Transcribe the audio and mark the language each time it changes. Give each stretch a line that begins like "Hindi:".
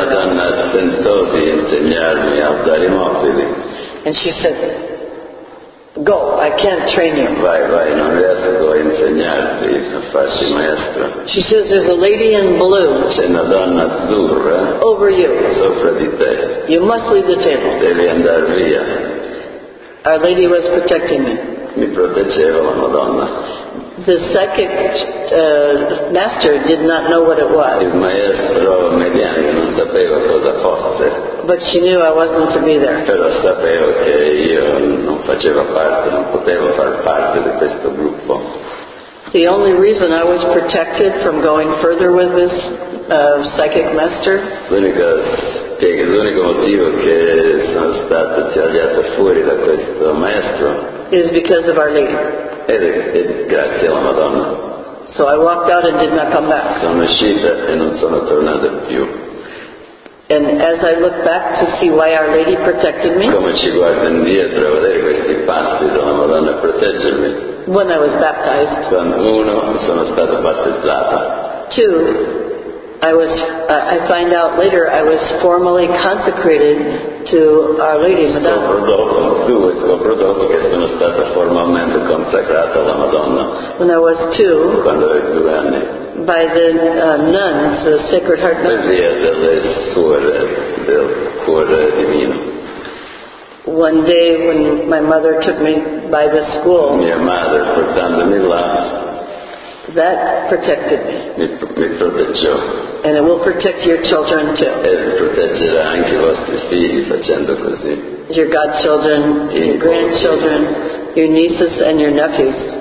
Italian: La donna tentò di insegnarmi a alzare i mobili.
English: And she said, go, I can't train you.
Italian: Vai, non riesco a insegnarti a farsi maestro.
English: She says, there's a lady in blue.
Italian: C'è una donna azzurra.
English: Over you.
Italian: Sopra di te.
English: You must leave the table.
Italian: Devi andare via.
English: Our lady was protecting me.
Italian: Mi proteggeva la Madonna.
English: The second master did not know what it was.
Italian: Il maestro mediano non sapeva cosa fosse.
English: But she knew I wasn't to be there.
Italian: Però sapevo che io non facevo parte, non potevo far parte di questo gruppo.
English: The only reason I was protected from going further with this psychic master.
Italian: L'unico motivo che sono stato tagliato fuori da questo maestro.
English: Is because of our leader.
Italian: E grazie alla Madonna.
English: So I walked out and did not come back.
Italian: Sono uscita e non sono tornata più.
English: And as I look back to see why Our Lady protected me,
Italian: come ci guardo indietro a vedere questi passi della Madonna proteggermi,
English: when I was baptized,
Italian: uno, sono stato battezzato,
English: two, I find out later I was formally consecrated to Our Lady,
Italian: scopro dopo che sono stato formalmente consacrato alla Madonna,
English: when I was two,
Italian: quando avevo 2 anni,
English: by the nuns, the Sacred Heart nuns.
Italian: Via delle suore, del cuore divino.
English: One day when my mother took me by the school,
Italian: mia madre portandomi là,
English: that protected me.
Italian: Mi proteggiò.
English: And it will protect your children too.
Italian: E proteggerà anche i vostri figli facendo così.
English: Your godchildren, your grandchildren, your nieces and your nephews.